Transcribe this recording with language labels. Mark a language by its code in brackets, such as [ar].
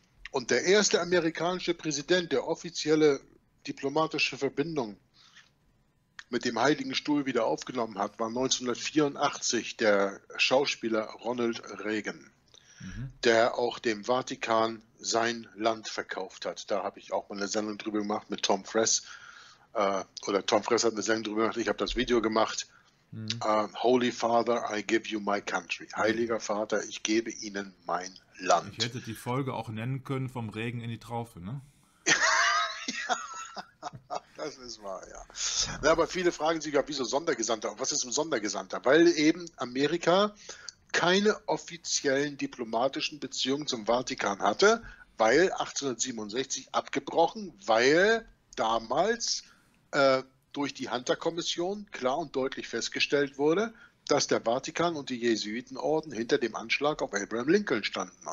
[de] Und der erste amerikanische Präsident, der offizielle diplomatische Verbindung mit dem Heiligen Stuhl wieder aufgenommen hat, war 1984 der Schauspieler Ronald Reagan, der auch dem Vatikan sein Land verkauft hat. Da habe ich auch mal eine Sendung drüber gemacht mit Tom Fress. Oder Tom Fress hat eine Sendung drüber gemacht, ich habe das Video gemacht. [en] Holy Father, I give you my country. [de] Heiliger Vater, ich gebe Ihnen mein Land. Ich hätte die Folge auch nennen können, vom Regen in die Traufe, ne? Das ist wahr, ja. Na, aber viele fragen sich, wieso Sondergesandter? Was ist ein Sondergesandter? Weil eben Amerika keine offiziellen diplomatischen Beziehungen zum Vatikan hatte, weil 1867 abgebrochen, weil damals durch die Hunter-Kommission klar und deutlich festgestellt wurde, dass der Vatikan und die Jesuitenorden hinter dem Anschlag auf Abraham Lincoln standen.